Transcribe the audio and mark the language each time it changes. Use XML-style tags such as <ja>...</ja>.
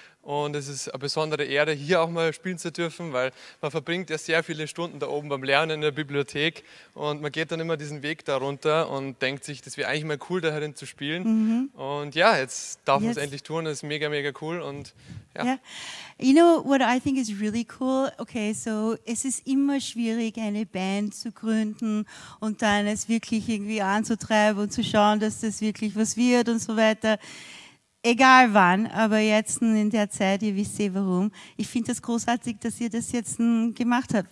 <de>Und es ist eine besondere Ehre, hier auch mal spielen zu dürfen, weil man verbringt ja sehr viele Stunden da oben beim Lernen in der Bibliothek und man geht dann immer diesen Weg darunter und denkt sich, das wäre eigentlich mal cool, da herin zu spielen. Mhm. Und ja, jetzt darf man es endlich tun, das ist mega, mega cool. Und ja. Yeah.</de> <en>You know what I think is really cool?</en> <de>Okay, so es ist immer schwierig, eine Band zu gründen und dann es wirklich irgendwie anzutreiben und zu schauen, dass das wirklich was wird und so weiter. Egal wann, aber jetzt in der Zeit, ihr wisst eh warum. Ich finde das großartig, dass ihr das jetzt gemacht habt.</de>